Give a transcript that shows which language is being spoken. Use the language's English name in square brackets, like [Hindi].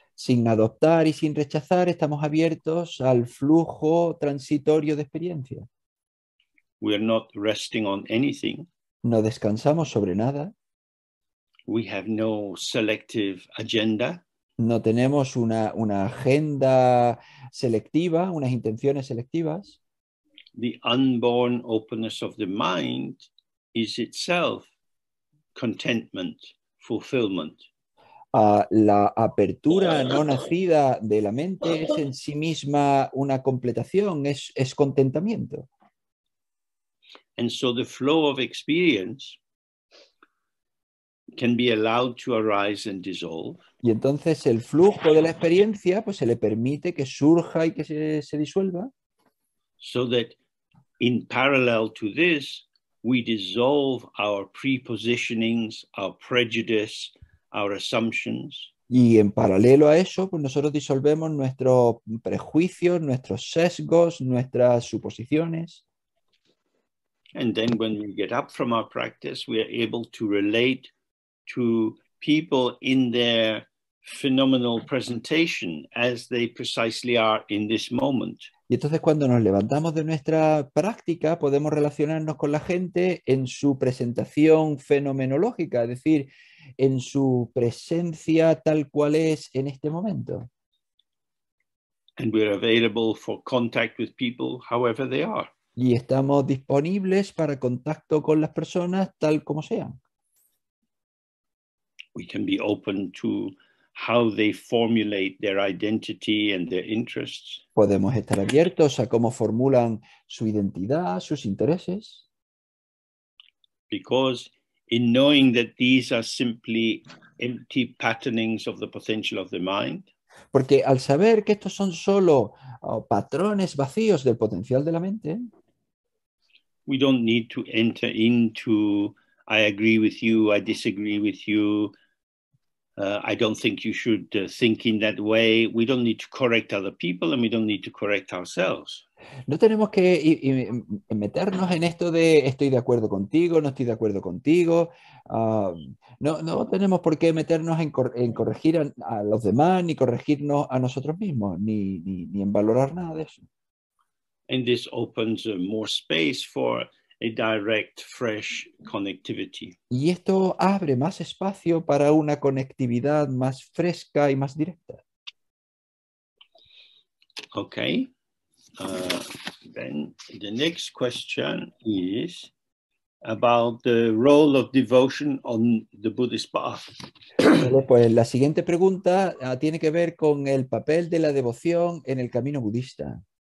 [Spanish] Sin adoptar y sin rechazar, estamos abiertos al flujo transitorio de experiencia. [English] We are not resting on anything. [Spanish] No descansamos sobre nada. [English] We have no selective agenda. [Spanish] No tenemos una agenda selectiva, unas intenciones selectivas. [English] The unborn openness of the mind is itself contentment, fulfillment. [Spanish] La apertura no nacida de la mente es en sí misma una completación, es contentamiento. [English] And so the flow of experience can be allowed to arise and dissolve. [Spanish] Y entonces el flujo de la experiencia pues se le permite que surja y que se disuelva. [English] So that in parallel to this, we dissolve our prepositionings, our prejudice, our assumptions. [Spanish] Y en paralelo a eso, pues nosotros disolvemos nuestros prejuicios, nuestros sesgos, nuestras suposiciones. [English] And then when we get up from our practice, we are able to relate to people in their phenomenal presentation as they precisely are in this moment. [Spanish] Y entonces cuando nos levantamos de nuestra práctica podemos relacionarnos con la gente en su presentación fenomenológica, es decir, en su presencia tal cual es en este momento. [English] And we are available for contact with people however they are. [Spanish] Y estamos disponibles para contacto con las personas tal como sean. [English] We can be open to how they formulate their identity and their interests. [Spanish] Podemos estar abiertos a cómo formulan su identidad, sus intereses. [English] Because in knowing that these are simply empty patternings of the potential of the mind. [Spanish] Porque al saber que estos son solo patrones vacíos del potencial de la mente. [English] We don't need to enter into I agree with you, I disagree with you. I don't think you should think in that way. We don't need to correct other people and we don't need to correct ourselves. [Spanish] No tenemos que meternos en esto de estoy de acuerdo contigo, no estoy de acuerdo contigo. No tenemos por qué meternos en corregir a los demás ni corregirnos a nosotros mismos ni en valorar nada de eso. [English] And this opens more space for a direct, fresh connectivity. [Spanish] Y esto abre más espacio para una conectividad más fresca y más directa. [English] Okay. Then the next question is about the role of devotion on the Buddhist path. [Spanish] Pues la siguiente pregunta tiene que ver con el papel de la devoción en el camino budista.